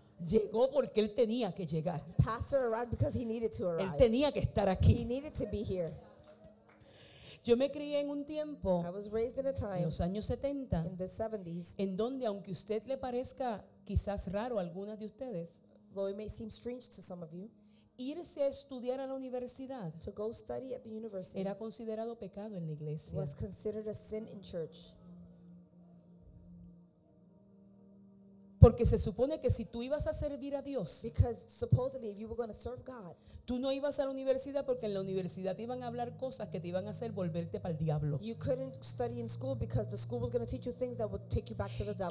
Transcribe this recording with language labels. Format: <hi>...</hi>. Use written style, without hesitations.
<es>Llegó porque él tenía que llegar.</es> <en>Pastor arrived because he needed to arrive.</en> <es>Él tenía que estar aquí.</es> <en>He needed to be here.</en> <es>Yo me crié en un tiempo.</es> <en>I was raised in a time.</en> <es>En los años 70.</es> <en>In the 70s.</en> <es>En donde aunque usted le parezca quizás raro a algunas de ustedes.</es> <en>Though it may seem strange to some of you.</en> <es>Irse a estudiar a la universidad.</es> <en>To go study at the university.</en> <es>Era considerado pecado en la iglesia.</es> <en>Was considered a sin in church.</en> <es>Porque se supone que si tú ibas a servir a Dios,</es> <en>because supposedly if you were going to serve God,</en> <es>tú no ibas a la universidad porque en la universidad te iban a hablar cosas que te iban a hacer volverte para el diablo.</es> <en>You couldn't study in school because the school was going to teach you things that would take you back to the devil.</en>